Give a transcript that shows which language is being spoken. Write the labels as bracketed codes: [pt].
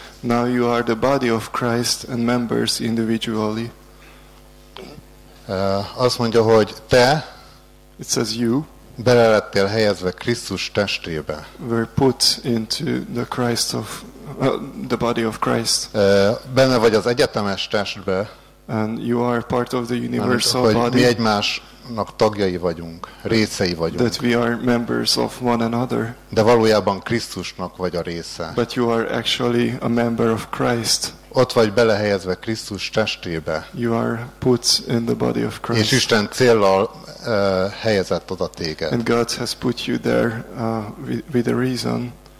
[en] Now you are the body of Christ and members individually. [hu] Azt mondja, hogy te, [en] it says you, [hu] bele lettél helyezve Krisztus testébe. [en] Were put into the Christ of the body of Christ. [hu] Benne vagy az egyetemes testbe. [en] And you are part of the universal body. [hu] Mi egymásnak tagjai vagyunk, részei vagyunk. [en] That we are members of one another. [hu] De valójában Krisztusnak vagy a része. [en] But you are actually a member of Christ. [hu] Ott vagy belehelyezve Krisztus testébe. [en] You are put in the body of Christ. [hu] És Isten céllal helyezett oda téged. [en] And God has put you there with a reason.